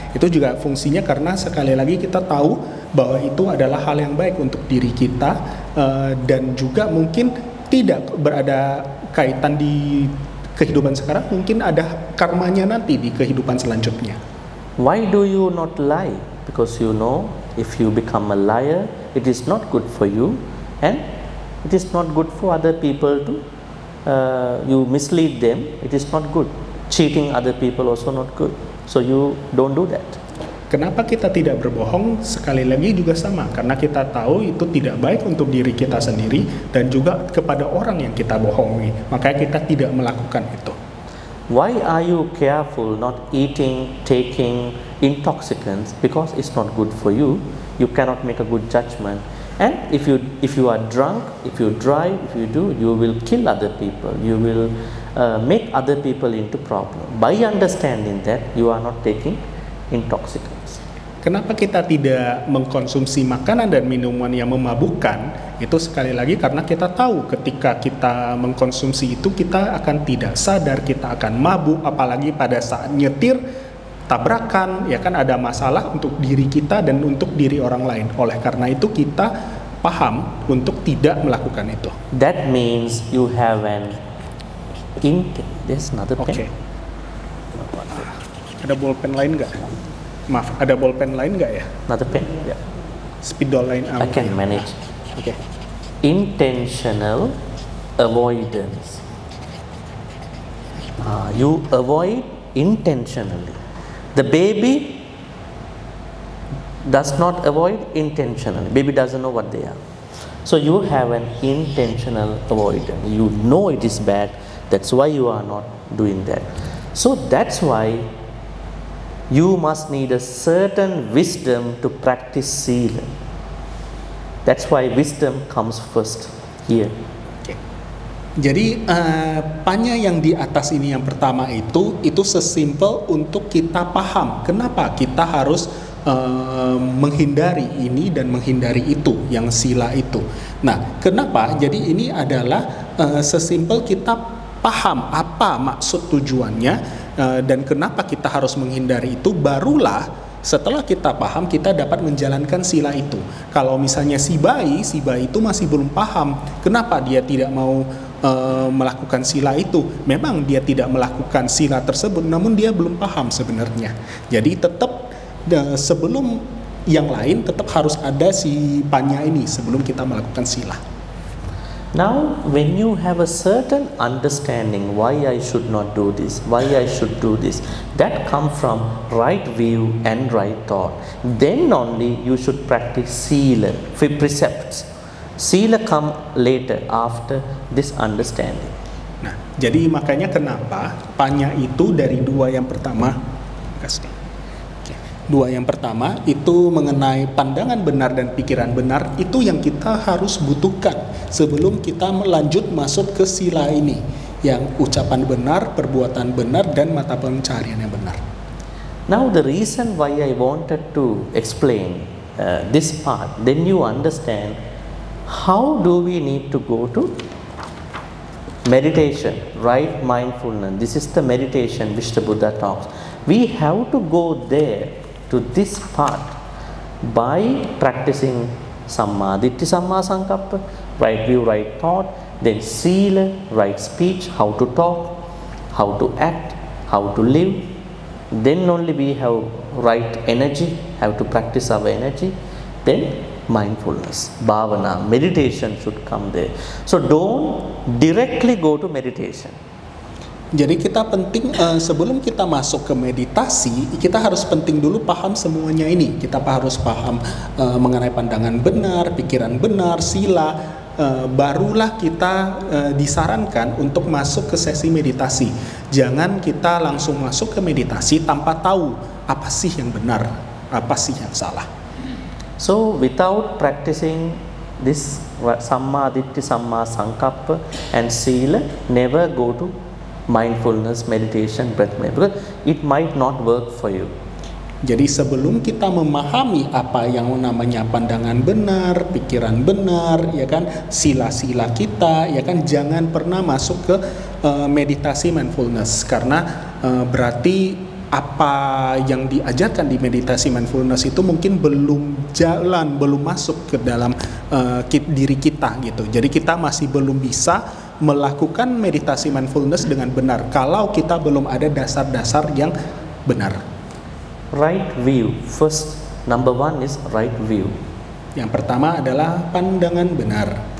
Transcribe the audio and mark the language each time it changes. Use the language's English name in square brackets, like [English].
[Indonesian] Itu juga fungsinya karena sekali lagi kita tahu bahwa itu adalah hal yang baik untuk diri kita dan juga mungkin tidak berada kaitan di kehidupan sekarang, mungkin ada karmanya nanti di kehidupan selanjutnya. [English] Why do you not lie? Because you know if you become a liar, it is not good for you and it is not good for other people to you mislead them. It is not good. Cheating other people also not good. So you don't do that. [Indonesian] Kenapa kita tidak berbohong? Sekali lagi juga sama, karena kita tahu itu tidak baik untuk diri kita sendiri dan juga kepada orang yang kita bohongi. Makanya kita tidak melakukan itu. [English] Why are you careful not eating, taking intoxicants? Because it's not good for you. You cannot make a good judgment. And if you are drunk, if you drive, if you do, you will kill other people. You will make other people into problem. By understanding that, you are not taking intoxicants. [Indonesian] Kenapa kita tidak mengkonsumsi makanan dan minuman yang memabukkan? Itu sekali lagi karena kita tahu ketika kita mengkonsumsi itu, kita akan tidak sadar, kita akan mabuk, apalagi pada saat nyetir, tabrakan, ya kan, ada masalah untuk diri kita dan untuk diri orang lain. Oleh karena itu kita paham untuk tidak melakukan itu. [English] That means you have an intent. There's another pen. Okay. [Indonesian] Ada bolpen lain enggak? Maaf, ada bolpen lain enggak ya? [English] Another pen. [Indonesian] Ya. Yeah. Speedol lain. [English] I can manage. Okay. Intentional avoidance. You avoid intentionally. The baby does not avoid intentionally. Baby doesn't know what they are. So you have an intentional avoidance. You know it is bad. That's why you are not doing that. So that's why you must need a certain wisdom to practice sila. That's why wisdom comes first here. [Indonesian] Jadi panya yang di atas ini yang pertama itu sesimpel untuk kita paham kenapa kita harus menghindari ini dan menghindari itu, yang sila itu. Nah, kenapa? Jadi ini adalah sesimpel kita paham apa maksud tujuannya dan kenapa kita harus menghindari itu, barulah setelah kita paham, kita dapat menjalankan sila itu. Kalau misalnya si bayi itu masih belum paham kenapa dia tidak mau melakukan sila itu. Memang dia tidak melakukan sila tersebut, namun dia belum paham sebenarnya. Jadi tetap sebelum yang lain, tetap harus ada si panya ini sebelum kita melakukan sila. [English] Now, when you have a certain understanding, why I should not do this, why I should do this, that come from right view and right thought. Then only you should practice sila, precepts. Sila come later after this understanding. [Indonesian] Nah, jadi makanya kenapa panya itu dari dua yang pertama, kasih. Dua yang pertama itu mengenai pandangan benar dan pikiran benar, itu yang kita harus butuhkan sebelum kita melanjut masuk ke sila ini, yang ucapan benar, perbuatan benar, dan mata pencaharian yang benar. [English] Now the reason why I wanted to explain this part, then you understand how do we need to go to meditation, right mindfulness. This is the meditation which the Buddha talks. We have to go there to this part by practicing sammāditti sammāsaṅkappa, right view, right thought, then sila, right speech, how to talk, how to act, how to live. Then only we have right energy, have to practice our energy, then mindfulness, bhavana, meditation should come there. So don't directly go to meditation. [Indonesian] Jadi kita penting sebelum kita masuk ke meditasi, kita harus penting dulu paham semuanya ini. Kita harus paham mengenai pandangan benar, pikiran benar, sila, barulah kita disarankan untuk masuk ke sesi meditasi. Jangan kita langsung masuk ke meditasi tanpa tahu apa sih yang benar, apa sih yang salah. [English] So without practicing this sammāditti sammāsaṅkappa and sila, never go to mindfulness, meditation, breath mindfulness, it might not work for you. [Indonesian] Jadi sebelum kita memahami apa yang namanya pandangan benar, pikiran benar, ya kan, sila-sila kita, ya kan, jangan pernah masuk ke meditasi mindfulness, karena berarti apa yang diajarkan di meditasi mindfulness itu mungkin belum jalan, belum masuk ke dalam diri kita gitu. Jadi kita masih belum bisa melakukan meditasi mindfulness dengan benar kalau kita belum ada dasar-dasar yang benar. [English] Right view, first number one is right view. [Indonesian] Yang pertama adalah pandangan benar.